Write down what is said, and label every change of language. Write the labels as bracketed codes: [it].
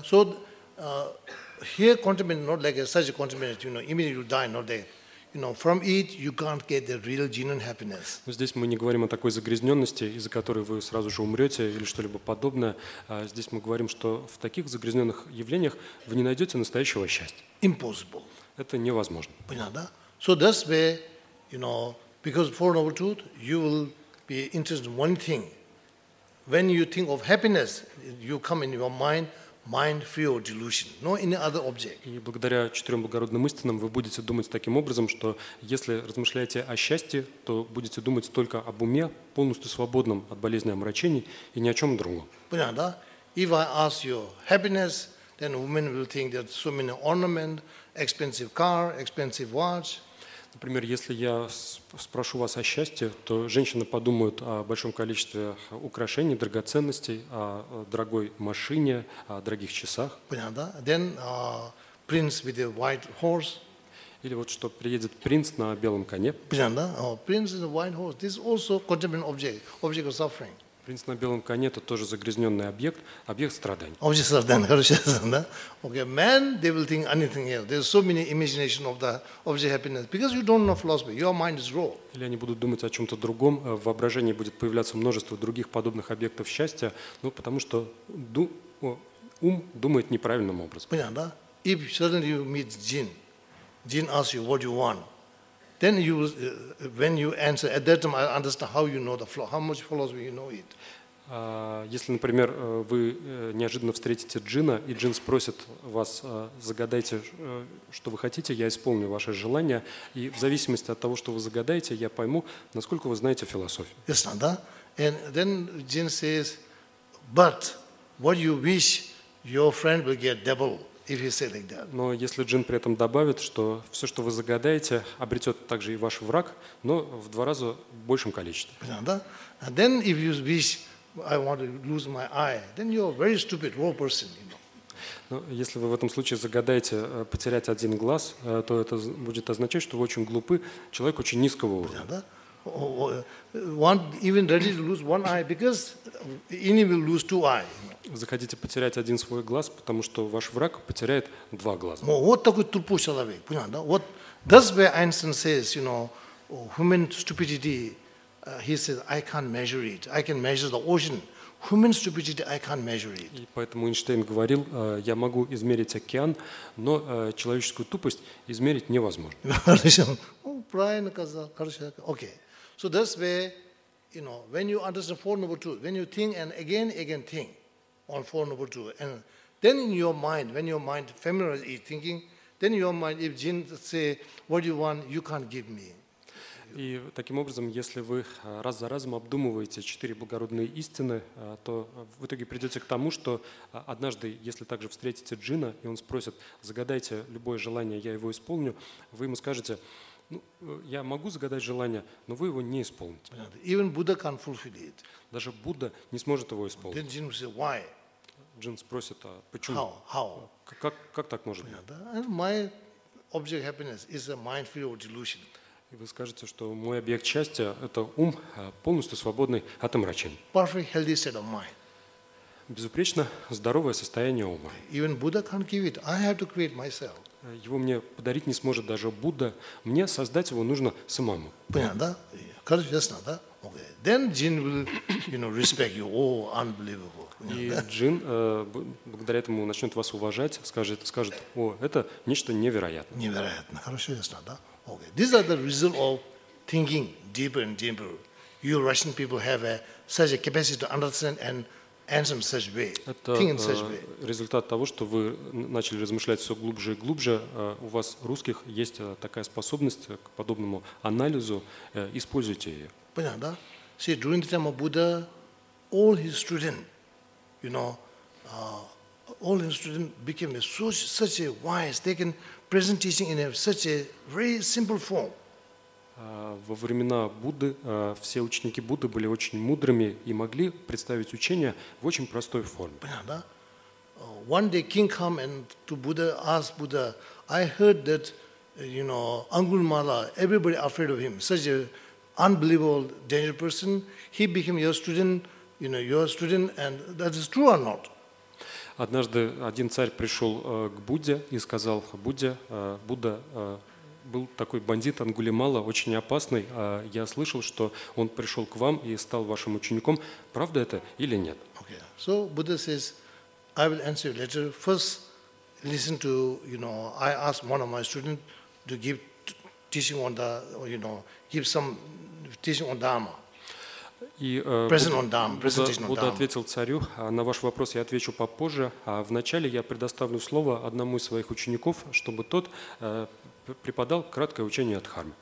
[en] So here contaminant, not like such a contaminant, you know, immediately you die, not there. You know, from it you can't get the real genuine happiness. [ru] Здесь мы не говорим о такой загрязненности, из-за которой вы сразу же умрете или что-либо подобное. Здесь мы говорим, что в таких загрязненных явлениях вы не найдете настоящего счастья. [en] Impossible. [ru] Это невозможно. Понятно, да? [en] So that's where, you know, because Four Noble Truths, you will be interested in one thing. When you think of happiness, you come in your mind. Mind free of delusion, no any other object. [ru] И благодаря четырем благородным истинам вы будете думать таким образом, что если размышляете о счастье, то будете думать только об уме, полностью свободном от болезни и омрачений и ни о чем другом. Понятно, да? [en] If I ask you happiness, then women will think that so many ornament, expensive car, expensive watch. [ru] Например, если я спрошу вас о счастье, то женщины подумают о большом количестве украшений, драгоценностей, о дорогой машине, о дорогих часах. Понятно, да? [en] Then prince with a white horse. [ru] Или вот что приедет принц на белом коне. Понятно, да? [en] Prince with a white horse. This is also contaminated object, object of suffering. [ru] Принц на белом коне – это тоже загрязненный объект, объект страданий. [en] Object of suffering, [ru] хорошо, да? [en] Okay, men, they will think anything else. There's so many imagination of the object of happiness. Because you don't know philosophy, your mind is raw. [ru] Или они будут думать о чем-то другом, в воображении будет появляться множество других подобных объектов счастья, ну, потому что ум думает неправильным образом. Понятно, да? [en] If suddenly you meet Jin, Jin asks you what you want, then you when you answer at that time I understand how you know the flow, how much philosophy you know it. [ru] Если, например, вы неожиданно встретите джина, и джин спросит вас, загадайте, что вы хотите, я исполню ваше желание, и в зависимости от того, что вы загадаете, я пойму, насколько вы знаете философию. [en] Yes, [ru] да? [en] And then Jin says, but what you wish your friend will get double. If he said like that. [ru] Но если джин при этом добавит, что все, что вы загадаете, обретет также и ваш враг, но в два раза большем количестве. Да? [en] And then if you wish I want to lose my eye, then you're a very stupid raw person, you know. [ru] Но если вы в этом случае загадаете потерять один глаз, то это будет означать, что вы очень глупы, человек очень низкого уровня. Да? [en] One even ready to lose one eye because any will lose two eye. [ru] Захотите потерять один свой глаз, потому что ваш враг потеряет два глаза. Вот такой тупой человек, понятно? [en] Вот that's where Einstein says, you know, human stupidity. He says, I can't measure it. I can measure the ocean. Human stupidity, I can't measure it. [ru] И поэтому Эйнштейн говорил, я могу измерить океан, но человеческую тупость измерить невозможно. Правильно сказал. Хорошо. Окей. [en] So that's where, you know, when you understand Four Noble Truths, when you think and again think on Four Noble Truths, and then in your mind, when your mind familiarizes with thinking, then your mind, if Jin say, what you want, you can't give me. [ru] И таким образом, если вы раз за разом обдумываете четыре благородные истины, то в итоге придете к тому, что однажды, если также встретите джина, и он спросит, загадайте любое желание, я его исполню, вы ему скажете, ну, я могу загадать желание, но вы его не исполните. [en] Even Buddha can't fulfill it. [ru] Даже Будда не сможет его исполнить. [en] Then Jin will say, why? [ru] Джин спросит, а почему? [en] How? [ru] Как так может быть? [en] And my object happiness is a mind free of delusion. [ru] И вы скажете, что мой объект счастья – это ум, полностью свободный от омрачений. [en] Perfect healthy state of mind. [ru] Безупречно здоровое состояние ума. [en] Even Buddha can't give it. I have to create myself. [ru] Его мне подарить не сможет даже Будда. Мне создать его нужно самому. Понятно, да? Конечно, да? [en] Okay. Then Jin will, you know, respect you. Oh, unbelievable. [ru] И Джин, благодаря этому, начнет вас уважать, скажет, о, это нечто невероятное. Невероятно. Хорошо, ясно, да? Okay. [en] These are the result of thinking deeper and deeper. You Russian people have such a capacity to understand and answer in such way. [ru] Это результат того, что вы начали размышлять все глубже и глубже. У вас русских есть такая способность к подобному анализу. Используйте ее. Понятно, да? [en] See, during the time of Buddha, all his students, you know, all his students became such a wise. They can present teaching in such a very simple form. [ru] Во времена Будды все ученики Будды были очень мудрыми и могли представить учение в очень простой форме. Понятно, да? [en] One day king come and to Buddha asked Buddha, I heard that, you know, Angulmala, everybody afraid of him, such a unbelievable dangerous person, he became your student, you know, your student, and that is true or not? [ru] Однажды один царь пришел к Будде и сказал, Будда, был такой бандит Ангулимала, очень опасный. А я слышал, что он пришел к вам и стал вашим учеником. Правда это или нет? [en] Okay. So Buddha says, I will answer you later. First, listen to, you know, I asked one of my students to give teaching on the, you know, give some teaching on Dharma. [ru] И Будда ответил царю, на ваш вопрос я отвечу попозже, а вначале я предоставлю слово одному из своих учеников, чтобы тот преподал краткое учение о Дхарме.